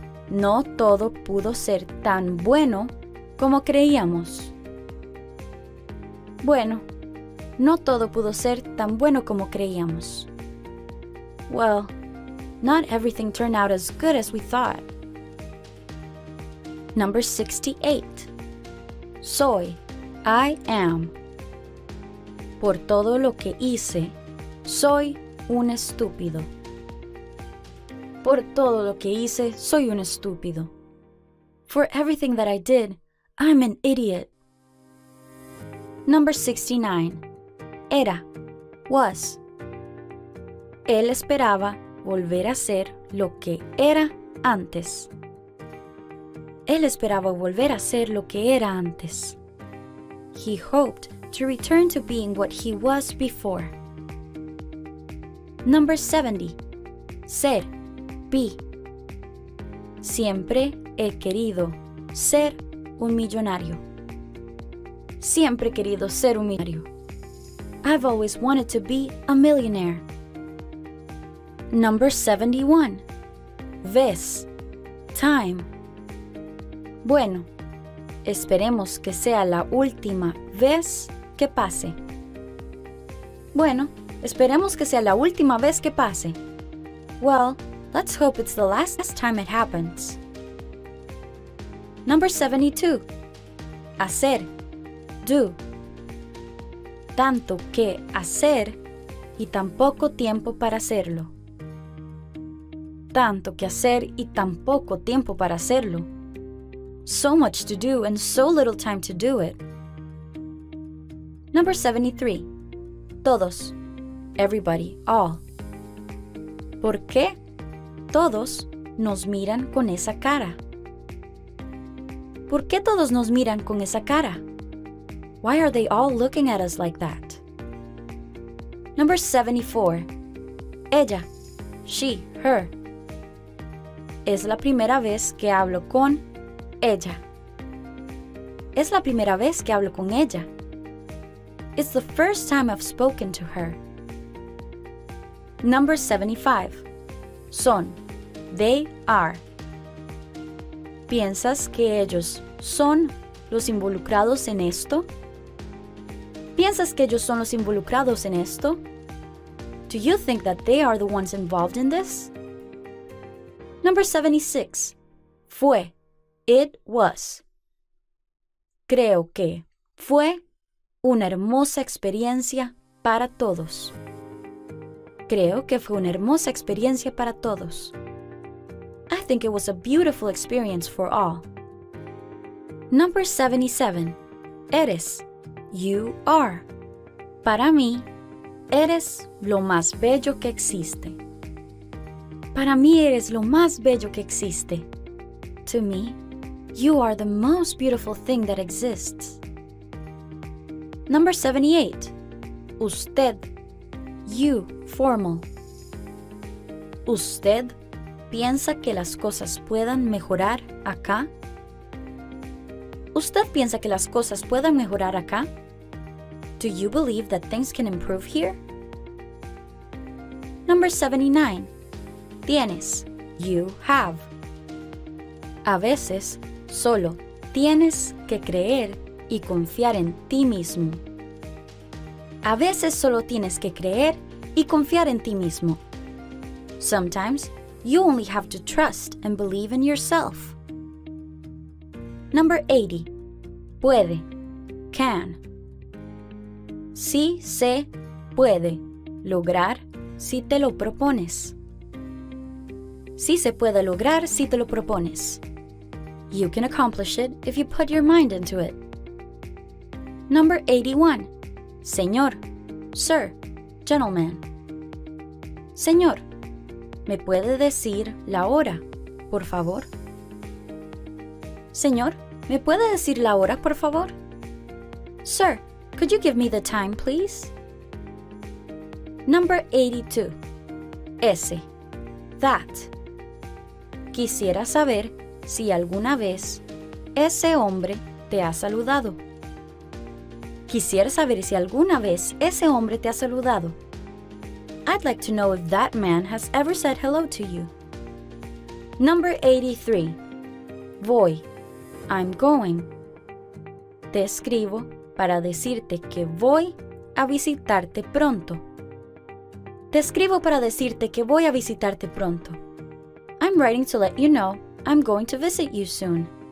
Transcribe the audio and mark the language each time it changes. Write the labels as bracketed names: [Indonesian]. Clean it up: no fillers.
[Spanish] No todo pudo ser tan bueno como creíamos. Bueno, no todo pudo ser tan bueno como creíamos. [English] Well, not everything turned out as good as we thought. Number 68. Soy. I am. [Spanish] Por todo lo que hice, soy un estúpido. Por todo lo que hice, soy un estúpido. [English] For everything that I did, I'm an idiot. Number 69. Era. Was. [Spanish] Él esperaba volver a ser lo que era antes. Él esperaba volver a ser lo que era antes. [English] He hoped to return to being what he was before. Number 70. [Spanish] Ser. Be. Siempre he querido ser un millonario. Siempre he querido ser un millonario. [English] I've always wanted to be a millionaire. Number 71. Ves. Time. [Spanish] Bueno, esperemos que sea la última vez que pase. Bueno, esperemos que sea la última vez que pase. [English] Well, let's hope it's the last time it happens. Number 72. Hacer. Do. [Spanish] Tanto que hacer y tan poco tiempo para hacerlo. Tanto que hacer y tan poco tiempo para hacerlo. [English] So much to do and so little time to do it. Number 73. Todos. Everybody. All. [Spanish] ¿Por qué todos nos miran con esa cara? ¿Por qué todos nos miran con esa cara? [English] Why are they all looking at us like that? Number 74. Ella. She. Her. [Spanish] Es la primera vez que hablo con ella. Es la primera vez que hablo con ella. [English] It's the first time I've spoken to her. Number 75. Son. They are. [Spanish] ¿Piensas que ellos son los involucrados en esto? ¿Piensas que ellos son los involucrados en esto? [English] Do you think that they are the ones involved in this? Number 76. Fue. It was. [Spanish] Creo que fue una hermosa experiencia para todos. Creo que fue una hermosa experiencia para todos. [English] I think it was a beautiful experience for all. Number 77. Eres. You are. [Spanish] Para mí, eres lo más bello que existe. Para mí, eres lo más bello que existe. [English] To me, you are the most beautiful thing that exists. Number 78. Usted. You, formal. [Spanish] ¿Usted piensa que las cosas puedan mejorar acá? ¿Usted piensa que las cosas puedan mejorar acá? [English] Do you believe that things can improve here? Number 79. Tienes. You have. [Spanish] A veces, solo tienes que creer y confiar en ti mismo. A veces solo tienes que creer y confiar en ti mismo. [English] Sometimes, you only have to trust and believe in yourself. Number 80. Puede. Can. [Spanish] Sí se puede lograr si te lo propones. Sí se puede lograr si te lo propones. [English] You can accomplish it if you put your mind into it. Number 81. Señor, sir, gentleman. [Spanish] Señor, ¿me puede decir la hora, por favor? Señor, ¿me puede decir la hora, por favor? [English] Sir, could you give me the time, please? Number 82. Ese. That. [Spanish] Quisiera saber si alguna vez ese hombre te ha saludado. Quisiera saber si alguna vez ese hombre te ha saludado. [English] I'd like to know if that man has ever said hello to you. Number 83. Voy. I'm going. [Spanish] Te escribo para decirte que voy a visitarte pronto. Te escribo para decirte que voy a visitarte pronto. [English] I'm writing to let you know I'm going to visit you soon.